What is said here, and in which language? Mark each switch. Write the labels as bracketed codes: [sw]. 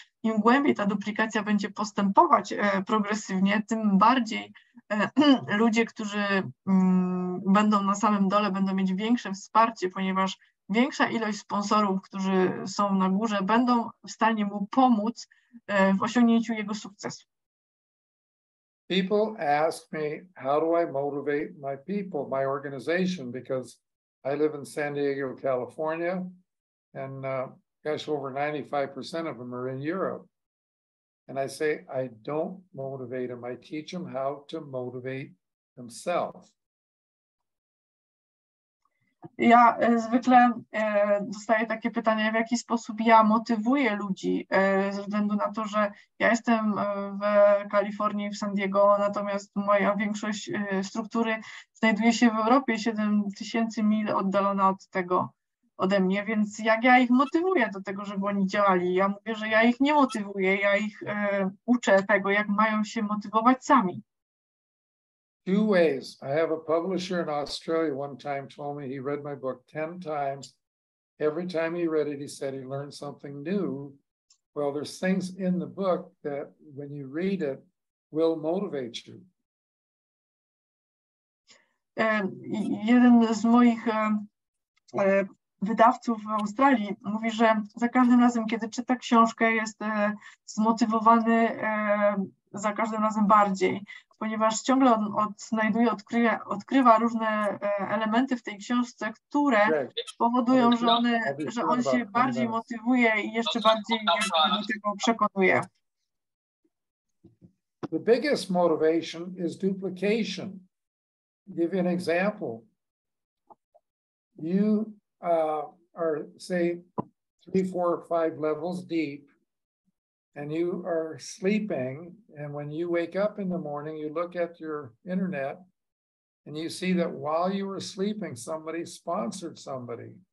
[pl] Im głębiej ta duplikacja będzie postępować progresywnie, tym bardziej ludzie, którzy będą na samym dole, będą mieć większe wsparcie, ponieważ większa ilość sponsorów, którzy są na górze, będą w stanie mu pomóc w osiągnięciu jego sukcesu. [en] People ask me, how do I motivate my people, my organization, because I live in San Diego, California, and gosh, over 95% of them are in Europe. And I say, I don't motivate them. I teach them how to motivate themselves. [pl] Ja zwykle dostaję takie pytania, w jaki sposób ja motywuję ludzi, ze względu na to, że ja jestem w Kalifornii, w San Diego, natomiast moja większość struktury znajduje się w Europie, 7000 mil oddalona od tego, ode mnie, więc jak ja ich motywuję do tego, żeby oni działali? Ja mówię, że ja ich nie motywuję, ja ich uczę tego, jak mają się motywować sami. [en] Two ways. I have a publisher in Australia one time told me he read my book 10 times. Every time he read it, he said he learned something new. Well, there's things in the book that when you read it will motivate you. [pl] Jeden z moich wydawców w Australii mówi, że za każdym razem, kiedy czyta książkę, jest zmotywowany za każdym razem bardziej, ponieważ ciągle on znajduje, odkrywa różne elementy w tej książce, które powodują, że on się bardziej motywuje i jeszcze bardziej do tego przekonuje. [en] The biggest motivation is duplication. Give you an example. You are, say, 3, 4, 5 levels deep, and you are sleeping, and when you wake up in the morning, you look at your internet, and you see that while you were sleeping, somebody sponsored somebody.